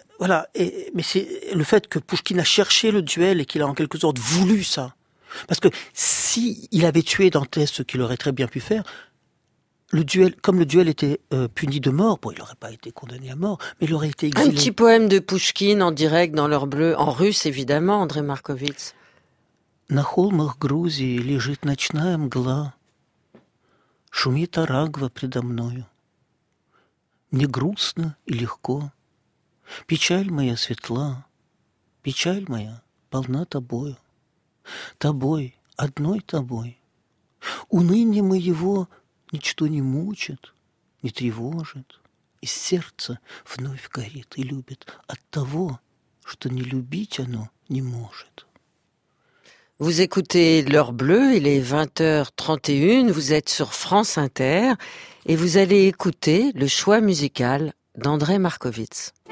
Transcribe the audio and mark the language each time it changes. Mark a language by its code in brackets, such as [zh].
[fr] Voilà, mais c'est le fait que Pouchkine a cherché le duel et qu'il a en quelque sorte voulu ça. Parce que s'il avait tué Dantès, ce qu'il aurait très bien pu faire, le duel, comme le duel était puni de mort, bon, il n'aurait pas été condamné à mort, mais il aurait été exilé. Un petit poème de Pouchkine en direct dans l'heure bleue, en russe évidemment, André Markowitz. [ru] На холмах Грузии лежит ночная мгла, шумит Арагва предо мною. Мне грустно и легко. Печаль моя светла, печаль моя полна тобою, тобой, одной тобой. Уныние моего ничто не мучит, не тревожит, и сердце вновь горит и любит от того, что не любить оно не может. [fr] Vous écoutez L'Heure Bleue, il est 20h31, vous êtes sur France Inter et vous allez écouter le choix musical d'André Markowitz.